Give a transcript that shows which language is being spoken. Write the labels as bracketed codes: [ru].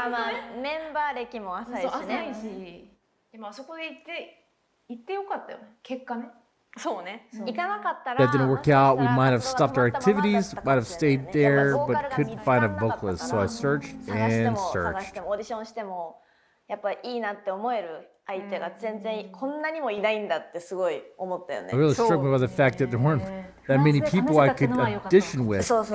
[ja] まあまあメンバー歴も浅いしね。そう浅いし、でもあそこで行ってよかったよ。結果ね。そうね。う行かなかったら。 [en] That didn't work out. We might have stopped our activities. Might have stayed there, but couldn't find a vocalist. So I searched and searched. [ja] 探してもオーディションしてもやっぱいいなって思える相手が全然こんなにもいないんだってすごい思ったよね。 [en] I really struck me by the fact that there weren't. That many people I could audition with.